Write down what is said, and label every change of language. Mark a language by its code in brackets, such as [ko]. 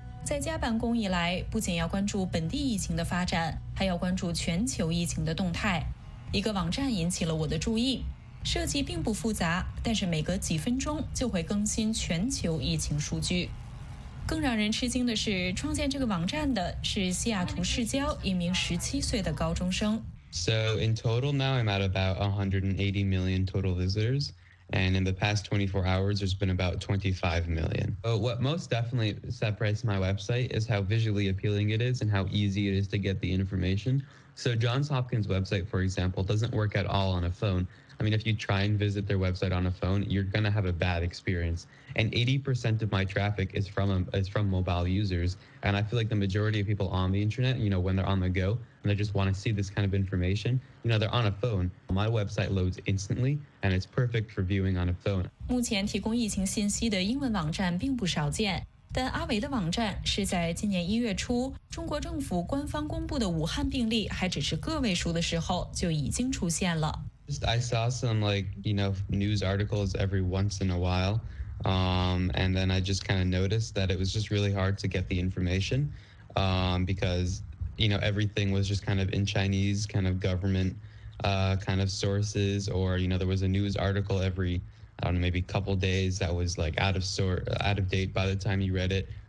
[zh] 在家办公以来，不仅要关注本地疫情的发展，还要关注全球疫情的动态。一个网站引起了我的注意，设计并不复杂，但是每隔几分钟就会更新全球疫情数据。更让人吃惊的是，创建这个网站的是西雅图市郊一名17岁的高中生。 [en] So in total now I'm at about 180 million total visitors, and in the past 24 hours there's been about 25 million. But what most definitely separates my website is how visually appealing it is and how easy it is to get the information. So Johns Hopkins website, for example, doesn't work at all on a phone. I mean, if you try and visit their website on a phone, you're going to have a bad experience. And 80% of my traffic is from mobile users. And I feel like the majority of people on the internet, you know, when they're on the go, and they just want to see this kind of information, you know, they're on a phone. My website loads instantly, and it's perfect for viewing on a phone. [zh] 目前提供疫情信息的英文网站并不少见。但阿维的网站是在今年一月初，中国政府官方公布的武汉病例还只是个位数的时候就已经出现了。 [en] I saw some like, you know, news articles every once in a while. And then I just kind of noticed that it was just really hard to get the information. Because, you know, everything was just kind of in Chinese kind of government, kind of sources, or, you know, there was a news article every, I don't know, maybe couple days that was like out of date by the time you read it.